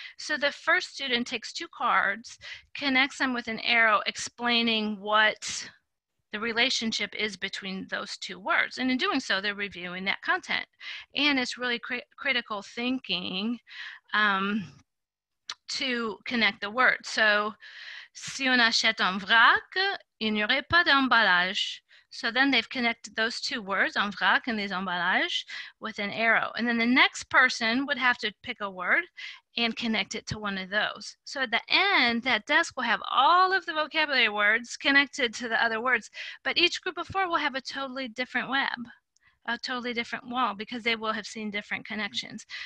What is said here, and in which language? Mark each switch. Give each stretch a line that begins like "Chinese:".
English: So the first student takes two cards, connects them with an arrow, explaining what the relationship is between those two words. And in doing so, they're reviewing that content. And it's really critical thinking to connect the words.
French: So, si on achète en vrac, il n'y aurait pas d'emballage.
English: So then they've connected those two words, en vrac and les emballages, with an arrow. And then the next person would have to pick a word and connect it to one of those. So at the end, that desk will have all of the vocabulary words connected to the other words, but each group of four will have a totally different web, a totally different wall, because they will have seen different connections.